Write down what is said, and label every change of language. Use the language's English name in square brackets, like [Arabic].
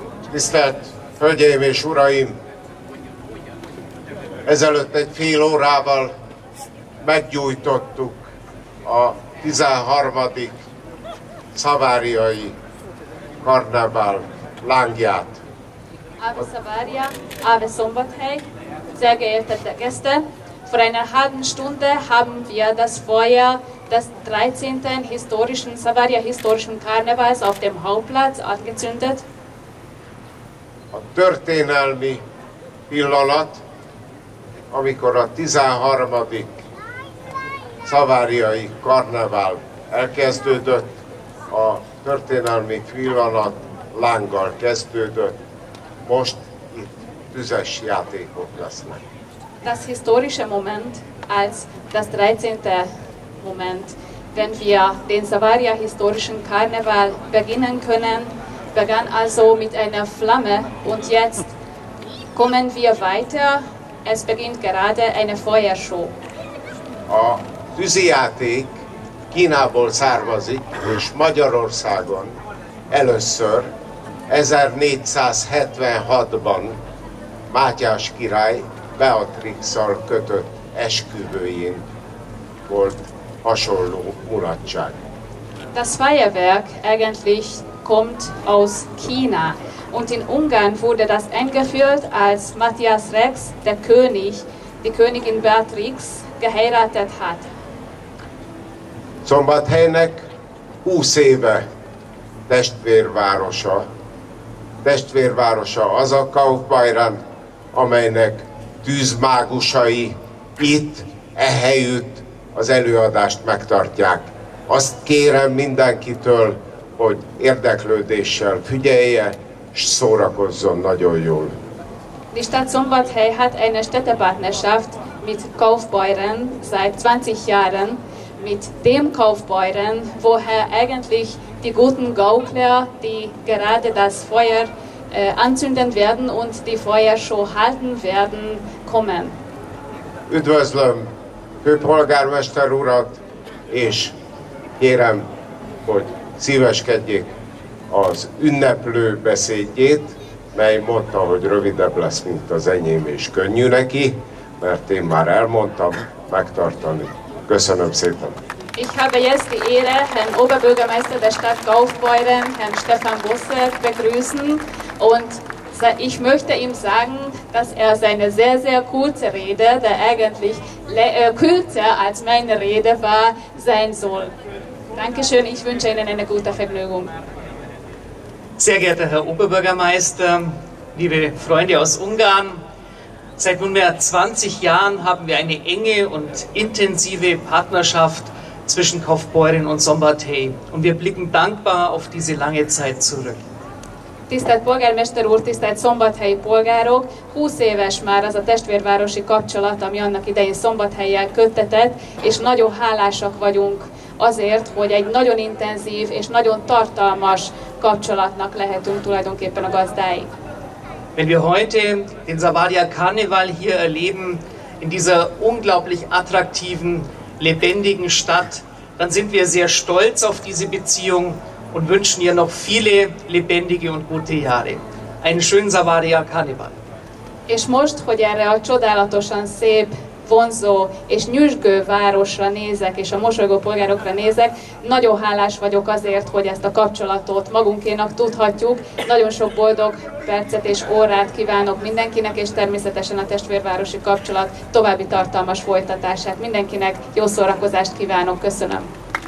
[Hungarian] Tisztelt Hölgyeim és Uraim! Ezelőtt egy fél órával meggyújtottuk a 13. szaváriai karnevál lángját. Ave Szavária, Ave Szombathely. [German] Sehr geehrte Gäste, vor einer halben Stunde haben wir das Feuer des 13. historischen Savaria historischen Karnevals auf dem Hauptplatz angezündet. [Hungarian] A történelmi pillanat, amikor a 13. szaváriai karnevál elkezdődött, a történelmi pillanat lánggal kezdődött, most itt tüzes játékok lesznek. [German] Das historische Moment als das 13. Moment, wenn wir den Savaria historischen Karneval beginnen können, begann also mit einer Flamme und jetzt kommen wir weiter, es beginnt gerade eine Feuershow. [Hungarian] A tűzijáték Kínából származik, és Magyarországon először 1476-ban Mátyás király Beatrixszal kötött esküvőjén volt hasonló mulatság. [German] Das Feuerwerk eigentlich kommt aus China und in Ungarn wurde das eingeführt, als Matthias Rex, der König, die Königin Beatrix geheiratet hat. [Hungarian] Szombathelynek 20 éve testvérvárosa. Testvérvárosa az a Kaufbeuren, amelynek tűzmágusai itt, ehelyütt az előadást megtartják. Azt kérem mindenkitől, hogy érdeklődéssel figyelje, és szórakozzon nagyon jól. [German] Die Stadt Szombathely hat eine Städtepartnerschaft mit Kaufbeuren seit 20 Jahren, mit dem Kaufbeuren, woher eigentlich die guten Gaukler, die gerade das Feuer anzünden werden und die Feuershow halten werden, kommen. [Hungarian] Üdvözlöm főpolgármester urat, és kérem, hogy szíveskedjék az ünneplő beszédjét, mely mondta, hogy rövidebb lesz, mint az enyém, és könnyű neki, mert én már elmondtam, megtartani. Köszönöm szépen! [German] Ich habe jetzt die Ehre, Herrn Oberbürgermeister der Stadt Kaufbeuren, Herrn Stefan Busse, begrüßen und ich möchte ihm sagen, dass er seine sehr, sehr kurze Rede, der eigentlich kürzer als meine Rede war, sein soll. Dankeschön, ich wünsche Ihnen eine gute Vergnügung. Sehr geehrter Herr Oberbürgermeister, liebe Freunde aus Ungarn, seit nunmehr 20 Jahren haben wir eine enge und intensive Partnerschaft zwischen Kaufbeuren und Szombathely und wir blicken dankbar auf diese lange Zeit zurück. [Hungarian] Tisztelt polgármester úr, tisztelt szombathelyi polgárok, 20 éves már az a testvérvárosi kapcsolat, ami annak idején Szombathellyel köttetett, és nagyon hálásak vagyunk azért, hogy egy nagyon intenzív és nagyon tartalmas kapcsolatnak lehetünk tulajdonképpen a gazdái. [German] Wenn wir heute den Savaria Karneval hier erleben, in dieser unglaublich attraktiven, lebendigen Stadt, dann sind wir sehr stolz auf diese Beziehung und wünschen ihr noch viele lebendige und gute Jahre. Einen schönen Savaria Karneval. [Hungarian] És most, hogy erre a csodálatosan szép, vonzó és nyüzsgő városra nézek, és a mosolygó polgárokra nézek, nagyon hálás vagyok azért, hogy ezt a kapcsolatot magunkénak tudhatjuk. Nagyon sok boldog percet és órát kívánok mindenkinek, és természetesen a testvérvárosi kapcsolat további tartalmas folytatását. Mindenkinek jó szórakozást kívánok. Köszönöm.